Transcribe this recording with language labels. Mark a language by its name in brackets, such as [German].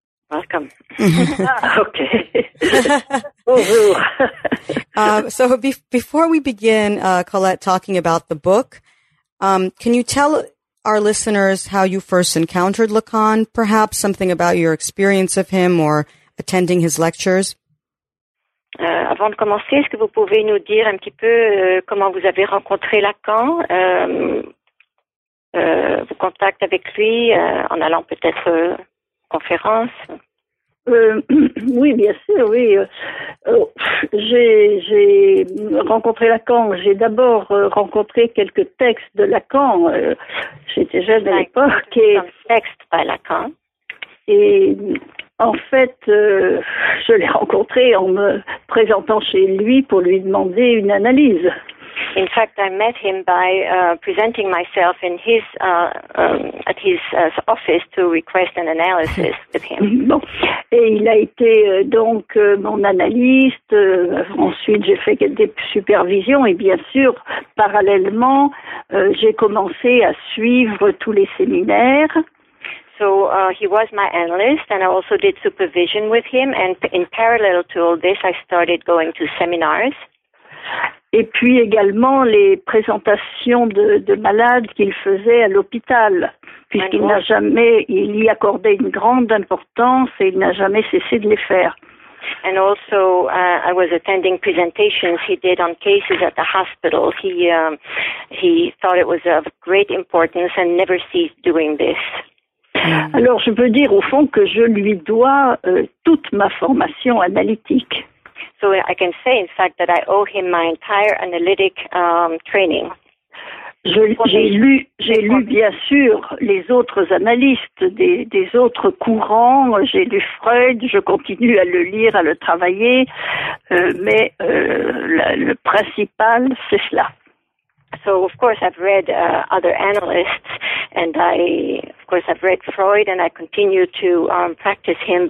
[English] Welcome. Okay. Bonjour. Before we begin, Colette, talking about the book, can you tell our listeners how you first encountered Lacan, perhaps something about your experience of him or attending his lectures? [French] Avant de commencer, est-ce que vous pouvez nous dire un petit peu comment vous avez rencontré Lacan? Vos contacts avec lui en allant peut-être conférence. Oui, bien sûr, oui. J'ai rencontré Lacan. J'ai d'abord rencontré quelques textes de Lacan. J'étais jeune à l'époque. Et texte par Lacan. Et en fait, je l'ai rencontré en me présentant chez lui pour lui demander une analyse. [English] In fact, I met him by presenting myself in his at his office to request an analysis with him. [French] Bon, et il a été donc mon analyste. Ensuite, j'ai fait des supervisions et bien sûr, parallèlement, j'ai commencé à suivre tous les séminaires. [English] So he was my analyst, and I also did supervision with him. And in parallel to all this, I started going to seminars. [French] Et puis également les présentations de malades qu'il faisait à l'hôpital, puisqu'il n'a jamais, il y accordait une grande importance et il n'a jamais cessé de les faire. [English] And also, I was attending presentations he did on cases at the hospital. He thought it was of great importance and never ceased doing this. [French] Alors je peux dire au fond que je lui dois toute ma formation analytique. [English] So I can say, in fact, that I owe him my entire analytic training. [French] J'ai lu bien sûr les autres analystes des autres courants. J'ai lu Freud. Je continue à le lire, à le travailler. Mais le principal, c'est cela. [English] So of course I've read other analysts, and I've read Freud, and I continue to practice him.